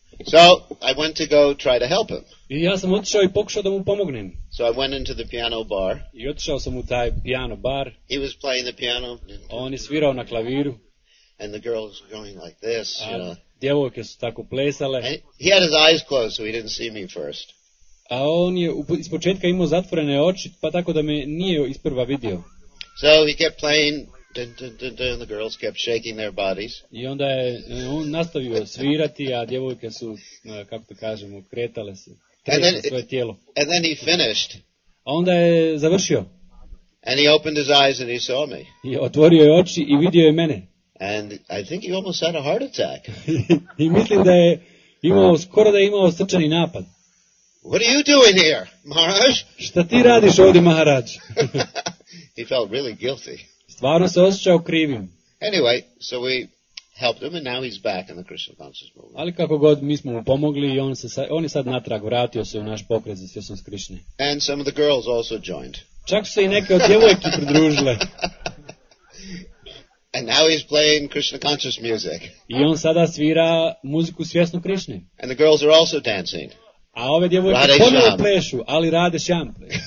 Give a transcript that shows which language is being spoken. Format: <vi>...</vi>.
<en>So I went to go try to help him.</en> <hr>I ja sam otišao i pokušao da mu pomognem.</hr> <en>So I went into the piano bar.</en> <hr>I otišao sam u taj piano bar.</hr> <en>He was playing the piano.</en> <hr>On je svirao na klaviru.</hr> <en>And the girls were going like this, you know.</en> <hr>Djevojke su tako plesale. And</hr> <en>he had his eyes closed, so he didn't see me first.</en> <hr>A on je ispočetka imao zatvorene oči, pa tako da me nije isprva vidio.</hr> <en>So he kept playing. Dun, dun, dun, dun, the girls kept shaking their bodies.</en> <hr>I onda je on nastavio svirati, a djevojke su, kako to kažemo, kretale se, svoje tijelo.</hr> <en>And then he finished.</en> <hr>A onda je završio.</hr> <en>And he opened his eyes and he saw me.</en> <hr>I otvorio je oči i vidio je mene.</hr> <en>And I think he almost had a heart attack.</en> <hr>I mislim da je imao, skoro da je imao srčani napad.</hr> <en>What are you doing here, Maharaj?</en> <hr>Šta ti radiš ovdje, Maharaj?</hr> <en>He felt really guilty.</en> <hr>Stvarno se osjećao krivim.</hr> <en>Anyway, so we helped him and now he's back in the Krishna consciousness movement.</en> <hr>Ali kako god mi smo mu pomogli i on je sad natrag vratio se u naš pokret za svjesnost Krišne.</hr> <en>And some of the girls also joined.</en> <hr>Čak su se i neke od djevojki pridružile.</hr> <en>And now he's playing Krishna conscious music.</en> <hr>I on sada svira muziku svjesnu Krišne.</hr> <en>And the girls are also dancing.</en> <hr>A ove djevojke ponovno plešu, ali rade šample.</hr>